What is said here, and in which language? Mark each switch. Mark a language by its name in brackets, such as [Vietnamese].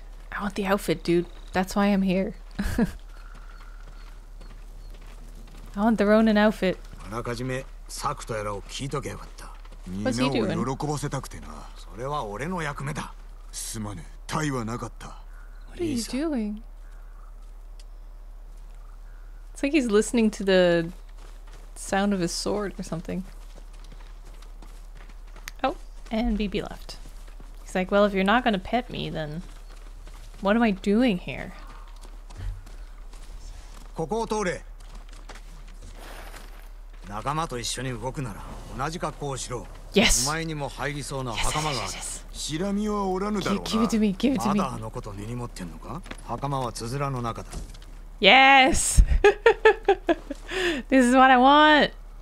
[English] I want the outfit, dude. That's why I'm here. I want the Ronin outfit. [Japanese] あらかじめサクとやらを聞いとけよかった。みんなを喜ばせたくてな。それは俺の役目だ。すまぬ、タイはなかった。 [English] What are you doing? It's like he's listening to the sound of his sword or something. Oh, and BB left. He's like, well, if you're not gonna pet me, then what am I doing here? [Japanese] ここを通れ。仲間と一緒に動くなら同じ格好をしろ。 [English] Yes. [Japanese] お前にも入りそうな袴がある。 [English] Yes, yes, yes. [Japanese] しらみはおらぬだろうな。 [English] Give it to me. Give it to me. [Japanese] まだあのこと根に持ってんのか？袴はつづらの中だ。 [English] Yes. This is what I want.